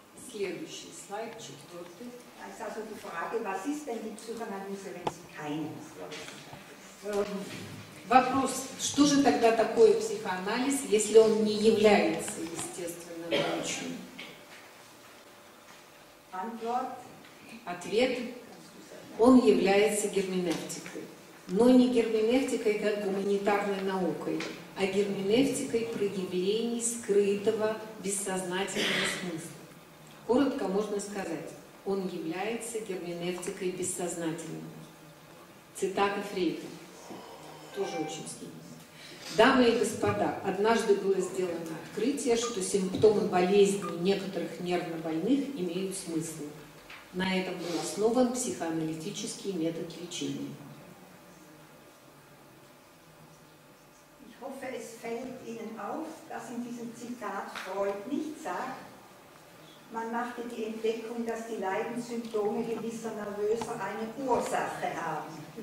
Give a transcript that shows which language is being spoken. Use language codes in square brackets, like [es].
[ru] Следующий слайд, четвертый. [de] Es also die Frage, was ist denn die Psychoanalyse, wenn sie keine Naturwissenschaft? [ru] Вопрос, что же тогда такое психоанализ, если он не является естественным научным? [de] Antwort. [ru] Ответ. он является герменевтикой. Но не герменевтикой как гуманитарной наукой, а герменевтикой проявлений скрытого бессознательного смысла. Коротко можно сказать, он является герменевтикой бессознательного. Цитата Фрейда. Тоже очень сильно. Дамы и господа, однажды было сделано открытие, что симптомы болезни некоторых нервнобольных имеют смысл. На этом был основан психоаналитический метод лечения. [de] Ich hoffe, es fällt Ihnen auf, dass in diesem Zitat Freud nicht sagt, man machte die Entdeckung, dass die Leidenssymptome gewisser Nervöser eine Ursache haben.